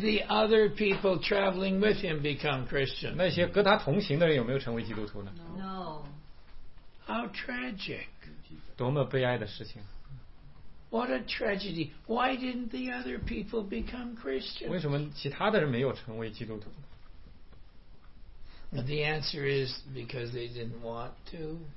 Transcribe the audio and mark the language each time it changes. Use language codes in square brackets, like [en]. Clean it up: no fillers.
[en] the other people traveling with him become Christian? [zh] 那些跟他同行的人有没有成为基督徒呢？ [en] No. How tragic. [zh] 多么悲哀的事情。 [en] What a tragedy. Why didn't the other people become Christian? [zh] 为什么其他的人没有成为基督徒? [en] The answer is because they didn't want to.